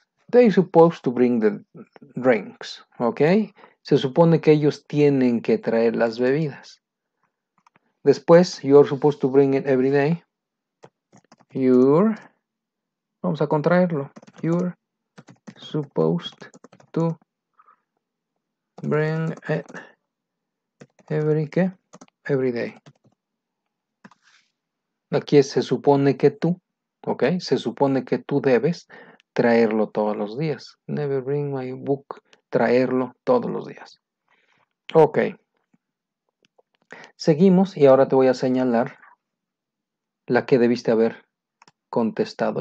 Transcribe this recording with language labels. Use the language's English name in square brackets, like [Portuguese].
[English] They're supposed to bring the drinks. [Spanish] ¿Ok? Se supone que ellos tienen que traer las bebidas. Después, [English] you're supposed to bring it every day. [Spanish] Vamos a contraerlo. [English] You're supposed to bring it every day. [Spanish] Aquí es, se supone que tú, ¿ok? Se supone que tú debes traerlo todos los días. [English] Never bring my book. [Spanish] Traerlo todos los días. Ok. Seguimos y ahora te voy a señalar la que debiste haber contestado.